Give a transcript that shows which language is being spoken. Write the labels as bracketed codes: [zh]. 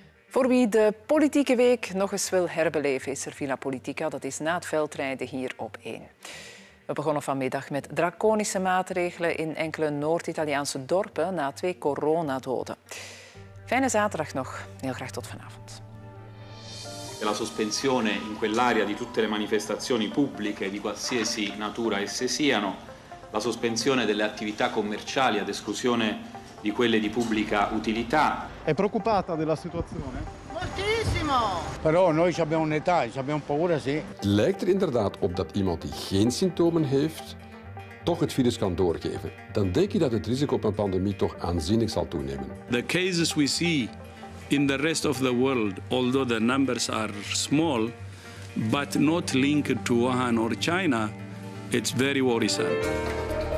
[nl] Voor wie de politieke week nog eens wil herbeleven, is er Villa Politica. Dat is na het veldrijden hier op 1. We begonnen vanmiddag met draconische maatregelen in enkele Noord-Italiaanse dorpen na 2 coronadoden. Fijne zaterdag nog. Heel graag tot vanavond. [it] La sospensione in quell'area di tutte le manifestazioni pubbliche di qualsiasi natura esse siano, la sospensione delle attività commerciali ad esclusione di quelle di pubblica utilità. È preoccupata della situazione? Moltissimo! Però noi abbiamo un'età, abbiamo paura, sì. [nl] Lijkt er inderdaad op dat iemand die geen symptomen heeft, toch het virus kan doorgeven, dan denk je dat het risico op een pandemie toch aanzienlijk zal toenemen. [en] The cases we see in the rest of the world, although the numbers are small, but not linked to Wuhan or China, it's very worrisome.